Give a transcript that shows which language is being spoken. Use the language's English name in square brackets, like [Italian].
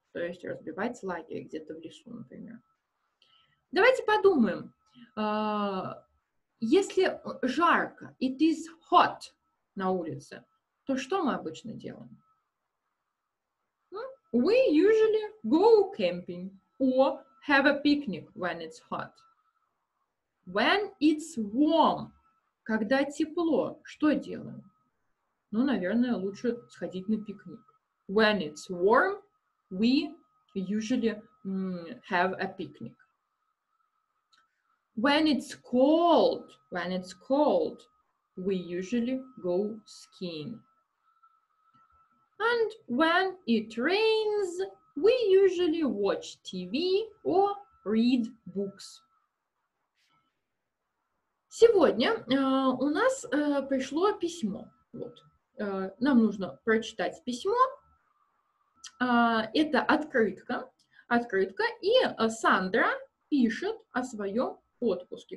[Russian] То есть разбивать лагерь где-то в лесу, например. Давайте подумаем. Если жарко, [English] it is hot [Russian] на улице, то что мы обычно делаем? [English] We usually go camping or have a picnic when it's hot. When it's warm, [Russian] когда тепло, что делаем? Ну, наверное, лучше сходить на пикник. [English] When it's warm, we usually have a picnic. When it's cold, we usually go skiing. And when it rains, we usually watch TV or read books. [Russian] Сегодня у нас пришло письмо. Вот. Нам нужно прочитать письмо. Это открытка. Открытка. И Сандра пишет о своем отпуске.